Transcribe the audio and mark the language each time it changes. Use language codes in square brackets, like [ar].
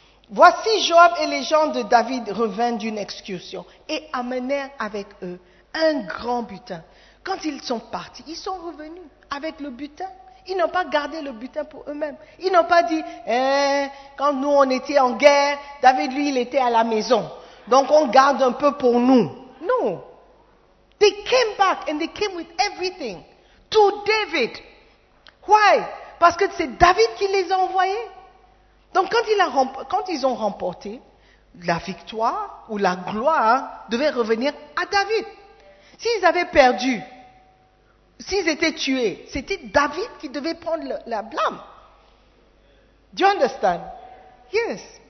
[fr] Voici Joab et les gens de David revinrent d'une excursion et amenèrent avec eux un grand butin. Quand ils sont partis, ils sont revenus avec le butin. Ils n'ont pas gardé le butin pour eux-mêmes. Ils n'ont pas dit, quand nous on était en guerre, David lui il était à la maison. Donc on garde un peu pour nous. Non. [en] They came back and they came with everything to David. Why? [fr] Parce que c'est David qui les a envoyés. Donc quand ils ont remporté, la victoire ou la gloire devait revenir à David. S'ils avaient perdu, s'ils étaient tués, c'était David qui devait prendre la blâme. Do you understand? Yes.